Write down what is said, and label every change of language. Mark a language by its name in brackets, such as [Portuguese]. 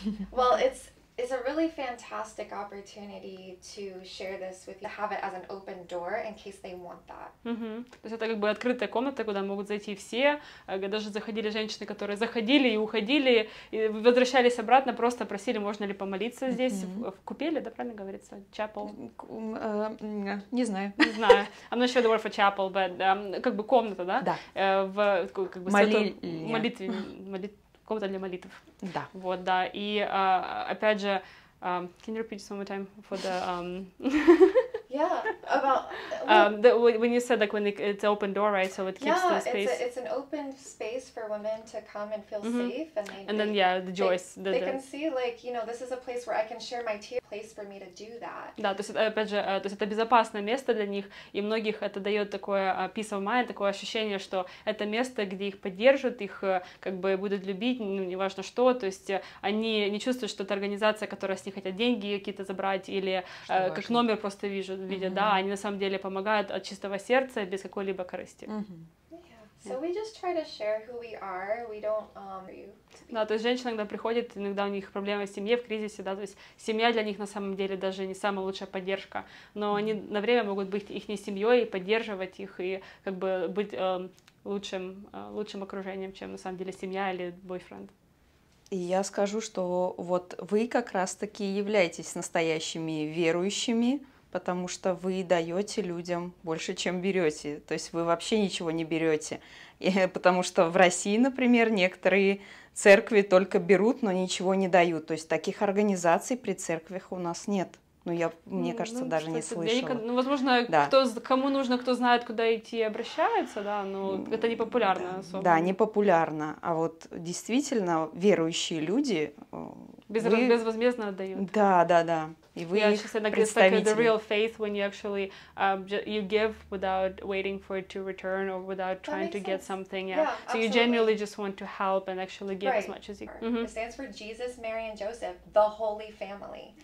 [English] Well, it's a really fantastic opportunity to share this with you, to have it as an open door in case they want that. Mm-hmm. [Russian] То есть это как бы открытая комната, куда могут зайти все, даже заходили женщины, которые заходили и уходили, и возвращались обратно, просто просили, можно ли помолиться здесь, в купели, да, правильно говорится, chapel? Не знаю. Не знаю. [English] I'm not sure the word for chapel, but [Russian] как бы комната, да? Да. В как бы молитве. Комната для молитв. Да. Вот, да. И опять же, [English] can you repeat this one more time for the Yeah, about When you said like when it's open door, right? So it keeps the space. Yeah, it's an open space for women to come and feel safe, and they. And then yeah, the joys. They can see like you know this is a place where I can share my tears. Place for me to do that. [Russian] Да, то есть опять же, то есть это безопасное место для них, и многих это дает такое [English] peace of mind, [Russian] такое ощущение, что это место, где их поддержат, их как бы будут любить, ну, неважно что, то есть они не чувствуют, что это организация, которая с них хотят деньги какие-то забрать или как номер просто вижу, видят, да, они на самом деле помогают от чистого сердца без какой-либо корысти. [English] So we just try to share who we are. We don't [Russian] Да, то есть женщина иногда приходит, иногда у них проблемы в семье, в кризисе, да, то есть семья для них на самом деле даже не самая лучшая поддержка, но они на время могут быть их не семьей и поддерживать их и как бы быть лучшим окружением, чем на самом деле семья или бойфренд. И я скажу, что вот вы как раз-таки являетесь настоящими верующими. Потому что вы даете людям больше, чем берете. То есть вы вообще ничего не берете. Потому что в России, например, некоторые церкви только берут, но ничего не дают. То есть таких организаций при церквях у нас нет. Ну, я, мне кажется, ну, даже не слышала. Я не, ну, возможно, да. Кому нужно, кто знает, куда идти, обращается, да, но это не популярно да. особо. Да, не популярно. А вот действительно верующие люди... Безвозмездно отдают. Да, да, да. И вы их представители. [English] The real faith when you actually you give without waiting for it to return or without trying to get something. Yeah. Yeah, so you genuinely just want to help and actually give as much as you can. Mm-hmm. It stands for Jesus, Mary and Joseph, the Holy Family.